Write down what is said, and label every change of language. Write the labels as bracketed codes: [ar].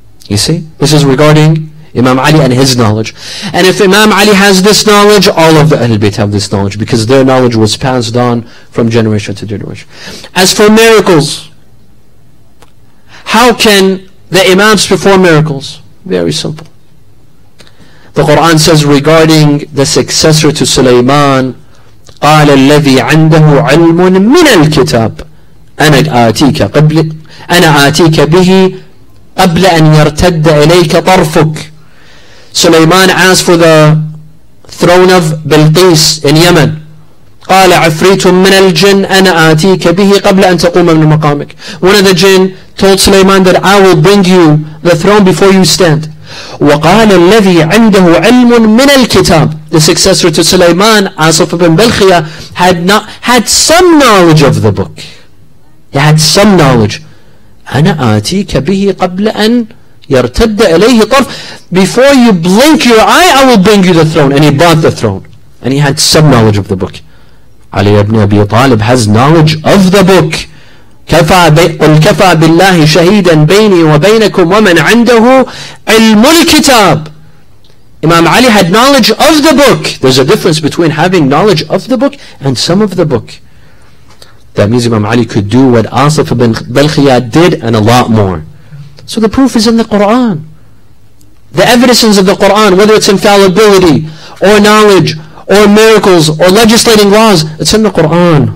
[en] You see, this is regarding Imam Ali and his knowledge. And if Imam Ali has this knowledge, all of the Ahlul Bayt have this knowledge, because their knowledge was passed on from generation to generation. As for miracles, how can the Imams perform miracles? Very simple. The Quran says regarding the successor to Sulaiman, [ar] قَالَ الَّذِي عَنْدَهُ عِلْمٌ مِنَ الْكِتَابِ أَنَا آتِيكَ بِهِ قَبْلَ أَنْ يَرْتَدَّ إِلَيْكَ طَرْفُكَ. [en] Sulaiman asked for the throne of Bilqis in Yemen. [ar] قَالَ عَفْرِيتٌ مِنَ الْجِنِّ أَنَا آتِيكَ بِهِ قَبْلَ أَنْ تَقُومَ مِنْ مَقَامِكَ. [en] One of the jinn told Sulaiman that I will bring you the throne before you stand. [ar] وقال الذي عنده علم من الكتاب. [en] The successor to Sulaiman, Asaf ibn Belkhia, had some knowledge of the book. He had some knowledge. [ar] أنا آتيك به قبل أن يرتد إليه طرف. [en] Before you blink your eye, I will bring you the throne. And he bought the throne. And he had some knowledge of the book. Ali ibn Abi Talib has knowledge of the book. [ar] قل كفى بالله شهيدا بيني وبينكم ومن عنده علم الكتاب. [en] Imam Ali had knowledge of the book. There's a difference between having knowledge of the book and some of the book. That means Imam Ali could do what Asaf ibn Belkhia did and a lot more. So the proof is in the Quran. The evidence is in the Quran, whether it's infallibility or knowledge or miracles or legislating laws, it's in the Quran.